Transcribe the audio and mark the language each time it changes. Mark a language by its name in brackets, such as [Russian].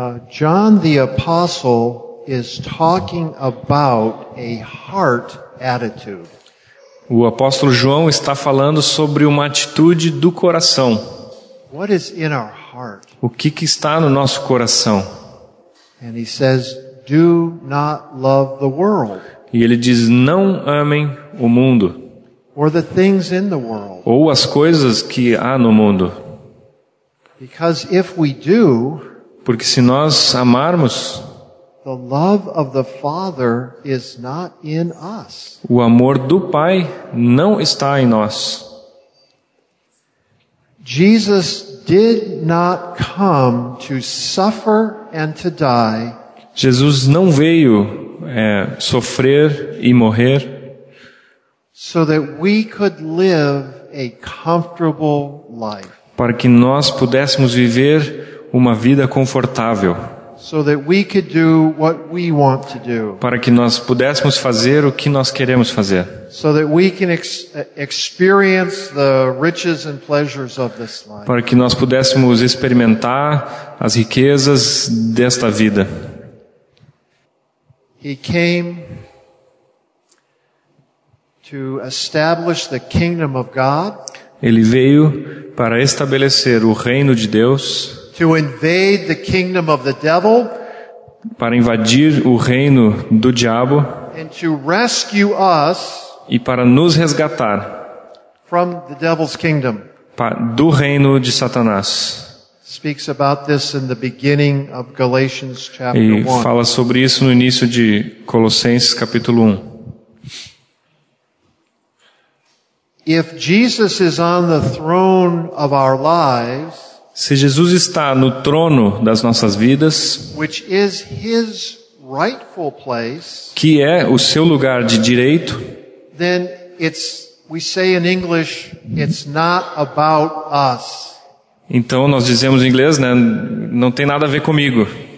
[English] John the Apostle is talking about a heart attitude. [Portuguese] O apóstolo João está falando sobre uma atitude do coração. [English] What is in our heart? [Portuguese] O que que está no nosso coração? [English] And he says, do not love the world. [Portuguese] E ele diz, não amem o mundo. [English] Or the things in the world. [Portuguese] Ou as coisas que há no mundo. [English] Because if we do, [Portuguese] porque se nós amarmos, [English] the love of the Father is not in us. [Portuguese] O amor do Pai não está em nós. [English] Jesus did not come to suffer and to die. [Portuguese] Jesus não veio sofrer e morrer, [English] so that we could live a comfortable life. [Portuguese] Para que nós pudéssemos viver uma vida confortável. [English] So that we could do what we want to do. [Portuguese] Para que nós pudéssemos fazer o que nós queremos fazer. [English] So that we can experience the riches and pleasures of this life. [Portuguese] Para que nós pudéssemos experimentar as riquezas desta vida. [English] He came to establish the kingdom of God. [Portuguese] Ele veio para estabelecer o reino de Deus. [English] To invade the kingdom of the devil. [Portuguese] Para invadir o reino do diabo. [English] And to rescue us. [Portuguese] E para nos resgatar. [English] From the devil's kingdom. [Portuguese] Do reino de Satanás. [English] Speaks about this in the beginning of Galatians chapter 1. [Portuguese] E fala sobre isso no início de Colossenses capítulo 1. [English] If Jesus is on the throne of our lives, [Portuguese] se Jesus está no trono das nossas vidas, [English] which is his rightful place, [Portuguese] que é o seu lugar de direito, [English] then it's, we say in English, it's not about us. [Portuguese] Então nós dizemos em inglês, né, não tem nada a ver comigo.